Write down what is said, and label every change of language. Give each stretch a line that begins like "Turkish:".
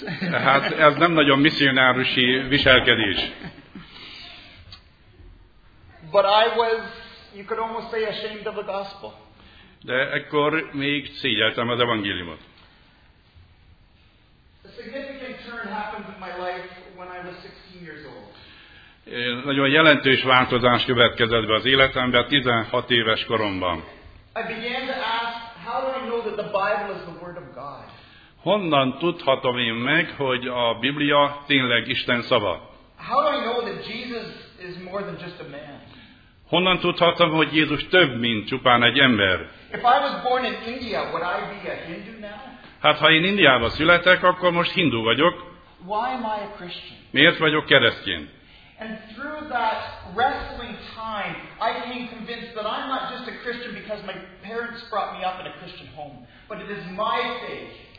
Hungarian: Hát ez nem nagyon misszionárusi viselkedés.
English: But I was You could almost say ashamed of the gospel.
Hungarian: De ekkor még szégyeltem az evangéliumot.
English: A significant turn happened in my life when I was 16 years old.
Hungarian: Nagyon jelentős változás következett be az életembe 16 éves koromban.
English: I began to ask, how do I know that the Bible is the word of God?
Hungarian: Honnan tudhatom én meg, hogy a Biblia tényleg Isten szava?
English: How do I know that Jesus is more than just a man?
Hungarian: Honnan tudhattam, hogy Jézus több, mint csupán egy ember?
English: If I was born in India, would I be a Hindu now?
Hungarian: Hát ha én Indiába születek, akkor most hindu vagyok.
English: Why am I a Christian?
Hungarian: Miért vagyok keresztény?
English: And through that wrestling time, I became convinced that I'm not just a Christian because my parents brought me up in a Christian home, but it is my faith.